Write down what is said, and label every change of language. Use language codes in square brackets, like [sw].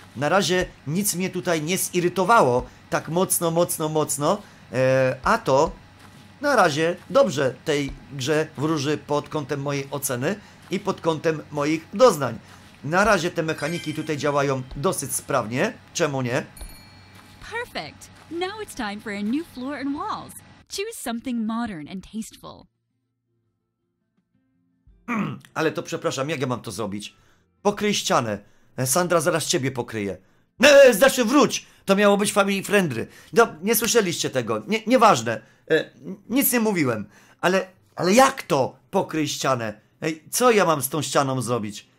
[pl] Na razie nic mnie tutaj nie zirytowało tak mocno. A to na razie dobrze tej grze wróży pod kątem mojej oceny i pod kątem moich doznań. Na razie te mechaniki tutaj działają dosyć sprawnie. Czemu nie? [en] Perfect. Now it's time for a new floor and walls. Choose something modern and tasteful. [pl] Ale to przepraszam, jak ja mam to zrobić? Pokryj ścianę. Sandra zaraz ciebie pokryje. Znaczy wróć! To miało być Family Friendly. No, nie słyszeliście tego. Nieważne. Nic nie mówiłem. Ale jak to pokryj ścianę? Co ja mam z tą ścianą zrobić?